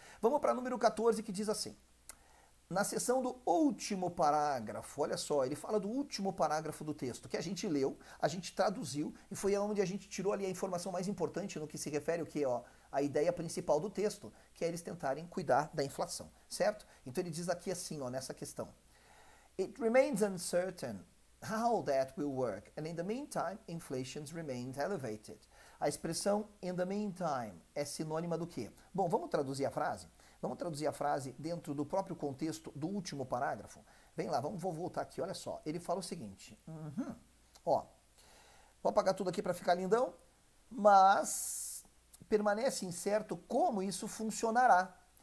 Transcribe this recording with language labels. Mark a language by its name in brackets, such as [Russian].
[Portuguese] Vamos para número 14, que diz assim. Na seção do último parágrafo, olha só, ele fala do último parágrafo do texto, que a gente leu, a gente traduziu, e foi onde a gente tirou ali a informação mais importante no que se refere o quê, ó, a ideia principal do texto, que é eles tentarem cuidar da inflação, certo? Então ele diz aqui assim, ó, nessa questão. [English] It remains uncertain how that will work, and in the meantime, inflation remains elevated. [Portuguese] A expressão [English] in the meantime [Portuguese] é sinônima do quê? Bom, vamos traduzir a frase? Vamos traduzir a frase dentro do próprio contexto do último parágrafo? Vem lá, vou voltar aqui, olha só. Ele fala o seguinte. Ó, vou apagar tudo aqui para ficar lindão. Mas permanece incerto como isso funcionará.